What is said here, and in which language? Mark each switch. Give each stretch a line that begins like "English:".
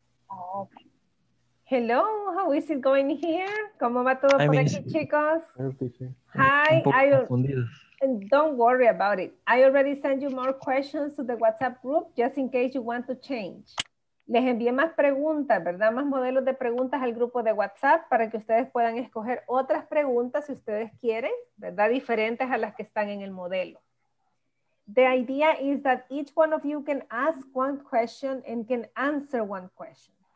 English: Okay. Hello, how is it going here?
Spanish: ¿Cómo va todo por aquí, chicos?
English: Hi, don't worry about it. I already sent you more questions to the WhatsApp group just in case you want to change.
Spanish: Les envié más preguntas, ¿verdad? Más modelos de preguntas al grupo de WhatsApp para que ustedes puedan escoger otras preguntas si ustedes quieren, ¿verdad? Diferentes a las que están en el modelo.
English: The idea is that each one of you can ask one question and can answer one question.